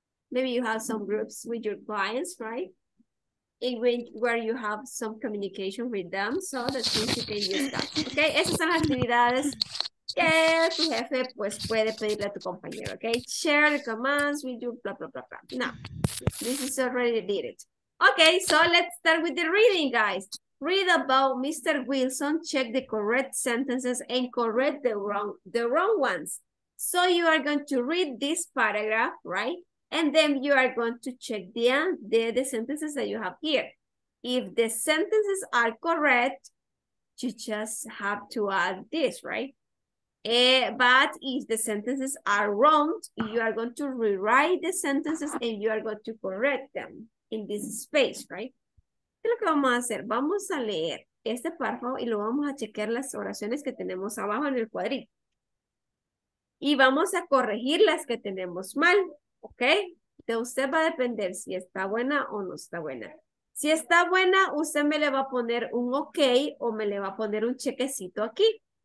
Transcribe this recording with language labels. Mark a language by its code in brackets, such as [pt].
[en] Maybe you have some groups with your clients, right? Where you have some communication with them, so that you can use that. [es] Okay, esas son las actividades que tu jefe pues puede pedirle a tu compañero, okay? [en] Share the commands with you, blah, blah, blah, blah. No, this is already did it. Okay, so let's start with the reading, guys. Read about Mr. Wilson, check the correct sentences and correct the wrong ones. So you are going to read this paragraph, right? And then you are going to check the sentences that you have here. If the sentences are correct, you just have to add this, right? But if the sentences are wrong, you are going to rewrite the sentences and you are going to correct them in this space, right? [es] ¿Qué es lo que vamos a hacer? Vamos a leer este párrafo y lo vamos a chequear las oraciones que tenemos abajo en el cuadrito. Y vamos a corregir las que tenemos mal. ¿Ok? De usted va a depender si está buena o no está buena. Si está buena, usted me le va a poner un ok o me le va a poner un chequecito aquí.